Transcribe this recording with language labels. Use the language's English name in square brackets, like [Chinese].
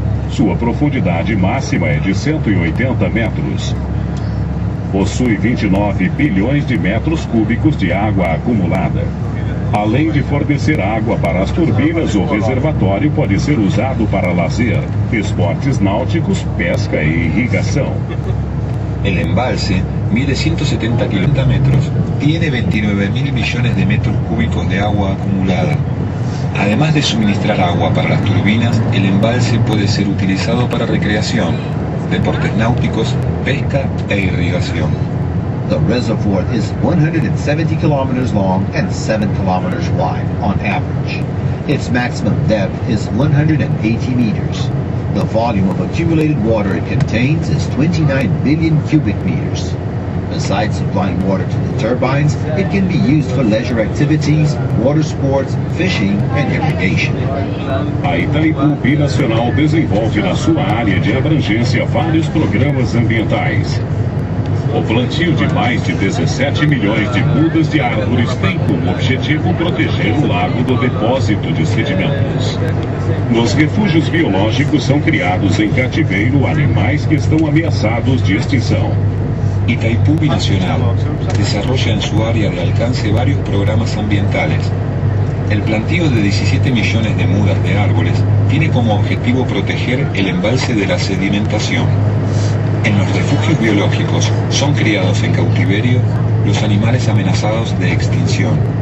[Portuguese] Sua profundidade máxima é de 180 metros. possui 29 bilhões de metros cúbicos de água acumulada. Além de fornecer água para as turbinas, o reservatório pode ser usado para lazer, esportes náuticos, pesca e irrigação. [Spanish] El embalse mide 170 kilómetros, tiene 29 mil millones de metros cúbicos de agua acumulada. Además de suministrar agua para las turbinas, el embalse puede ser utilizado para recreación, deportes náuticos, pesca e irrigación. [English] The reservoir is 170 kilómetros long and 7 kilómetros wide on average. Its maximum depth is 180 meters. The volume of accumulated water it contains is 29 billion cubic meters. Besides supplying water to the turbines, it can be used for leisure activities, water sports, fishing and irrigation. [Portuguese] A Itaipu Binacional desenvolve na sua área de abrangência vários programas ambientais. O plantio de mais de 17 milhões de mudas de árvores tem como objetivo proteger o lago do depósito de sedimentos. Nos refúgios biológicos são criados em cativeiro animais que estão ameaçados de extinção. [Spanish] Itaipu Binacional desarrolla en su área de alcance varios programas ambientales. El plantío de 17 millones de mudas de árboles tiene como objetivo proteger el embalse de la sedimentación. En los refugios biológicos son criados en cautiverio los animales amenazados de extinción.